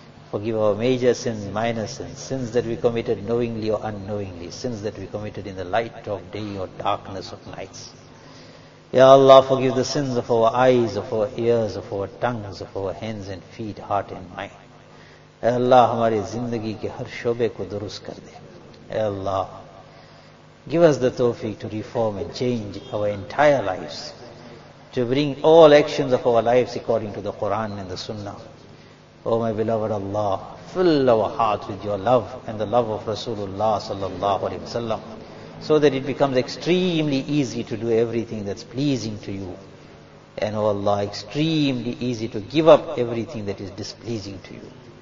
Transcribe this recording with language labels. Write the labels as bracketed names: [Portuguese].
[English] Forgive our major sins, minor sins, sins that we committed knowingly or unknowingly, sins that we committed in the light of day or darkness of nights. Ya Allah, forgive the sins of our eyes, of our ears, of our tongues, of our hands and feet, heart and mind. [Urdu] اے اللہ ہماری زندگی کے ہر شعبے کو درست کر دے. [English] اے Allah, give us the توفیق to reform and change our entire lives, to bring all actions of our lives according to the Quran and the Sunnah. Oh my beloved Allah, fill our heart with your love and the love of Rasulullah sallallahu alayhi wa sallam, so that it becomes extremely easy to do everything that's pleasing to you, and oh Allah, extremely easy to give up everything that is displeasing to you.